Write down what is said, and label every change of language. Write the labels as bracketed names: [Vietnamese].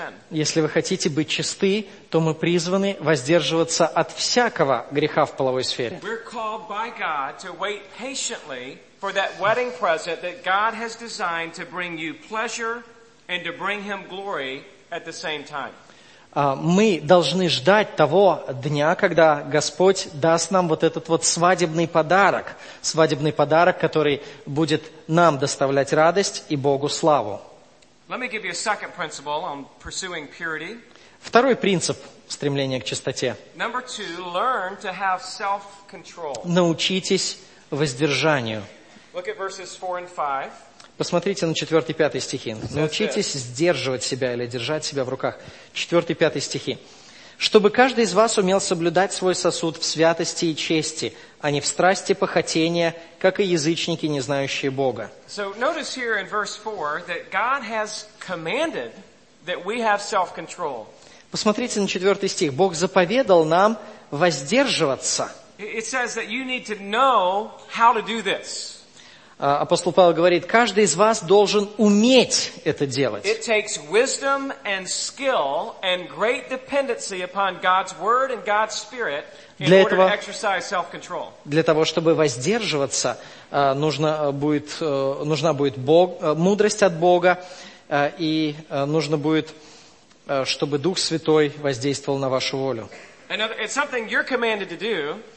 [Russian] Если вы хотите быть чисты, то мы призваны воздерживаться от всякого греха в половой сфере. Мы призваны Богом ждать терпеливо [English] for that wedding present that God has designed to bring you pleasure and to bring him glory at the same time. [Russian] Мы должны ждать того дня, когда Господь даст нам вот этот вот свадебный подарок, который будет нам доставлять радость и Богу славу. [English] Let me give you a second principle on pursuing purity. [Russian] Второй принцип стремления к чистоте. [English] Number two, learn to have self-control. [Russian] Научитесь воздержанию. [English] Look at verses 4 and 5. [Russian] Посмотрите на 4 и 5 стихи. Научитесь сдерживать себя или держать себя в руках. 4 и 5 стихи. Чтобы каждый из вас умел соблюдать свой сосуд в святости и чести, а не в страсти похотения, как и язычники, не знающие Бога. [English] So notice here in verse 4 that God has commanded that we have self-control. [Russian] Посмотрите на 4 стих. Бог заповедал нам воздерживаться. [English] It says that you need to know how to do this. [Russian] Апостол Павел говорит, каждый из вас должен уметь это делать. [English] It takes wisdom and skill and great dependency upon God's word and God's spirit in order to exercise self-control. [Russian] Для того, чтобы воздерживаться, нужна будет мудрость от Бога, и нужно будет, чтобы Дух Святой воздействовал на вашу волю. [English] It's something you're commanded to do.